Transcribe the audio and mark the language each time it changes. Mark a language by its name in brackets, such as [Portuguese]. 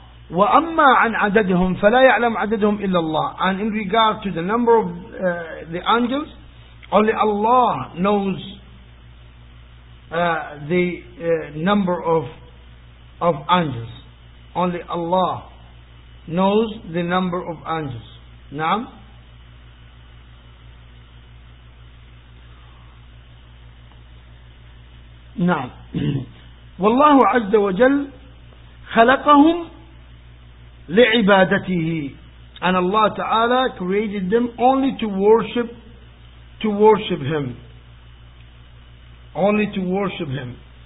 [Arabic] وأما عن عددهم فلا يعلم عددهم إلا الله. [English] And in regard to the number of the angels, only Allah knows the number of angels. Only Allah knows the number of angels. [Arabic] نعم. نعم. والله عز وجل خلقهم لعبادته. [English] And Allah Ta'ala created them only to worship, Him. Only to worship Him.